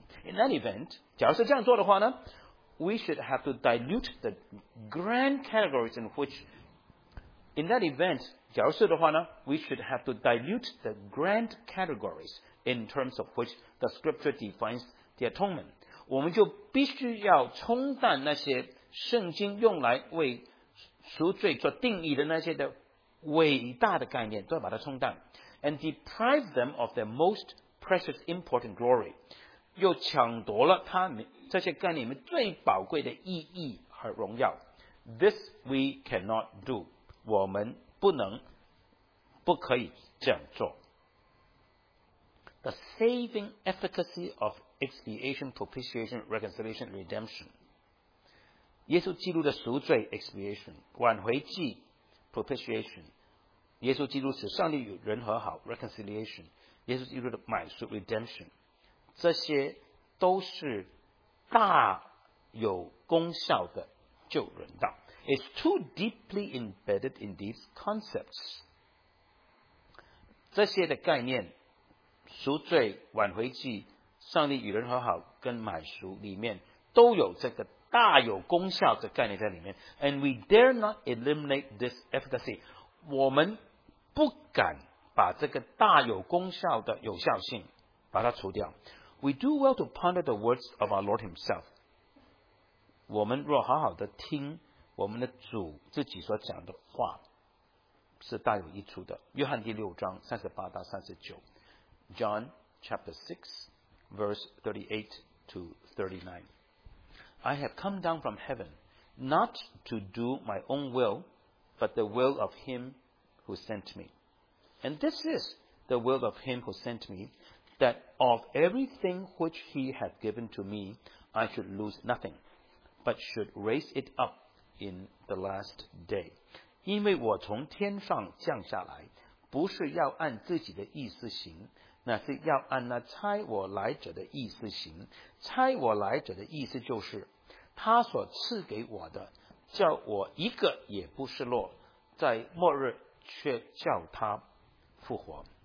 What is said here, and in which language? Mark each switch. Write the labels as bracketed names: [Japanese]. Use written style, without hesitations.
[English] In any event, [Chinese] 假如是这样做的话呢， [English] We should have to dilute the grand categories in which In that event, [Chinese] 假如是的话呢， [English] We should have to dilute the grand categories in terms of which the scripture defines the atonement. [Chinese] 我们就必须要冲淡那些圣经用来为赎罪做定义的那些的伟大的概念，都要把它冲淡。 [English] And deprive them of their most precious important glory. [Chinese] 又抢夺了他们这些概念里面最宝贵的意义和荣耀。 [English] This we cannot do. [Chinese] 我们不能，不可以这样做。 [English] The saving efficacy of expiation, propitiation, reconciliation, redemption. [Chinese] 耶稣基督的赎罪 expiation, 挽回祭 propitiation, 耶稣基督使上帝与人和好 reconciliation, 耶稣基督的买赎 redemption, 这些都是大有功效的救人道。 [English] It's too deeply embedded in these concepts. [Chinese] 这些的概念赎罪挽回祭上帝与人和好跟买赎里面都有这个大有功效的概念在里面。 [English] And we dare not eliminate this efficacy. [Chinese] 我们不敢把这个大有功效的有效性把它除掉。 [English] We do well to ponder the words of our Lord himself. [Chinese] 我们若好好的听我们的主自己所讲的话是大有益处的。约翰第六章38到39， [English] John chapter 6, verse 38 to 39. I have come down from heaven, not to do my own will, but the will of him who sent me. And this is the will of him who sent me, that of everything which he hath given to me, I should lose nothing, but should raise it up in the last day. [Chinese] 因为我从天上降下来，不是要按自己的意思行，那是要按那差我来者的意思行。差我来者的意思就是他所赐给我的，叫我一个也不失落，在末日却叫他复活。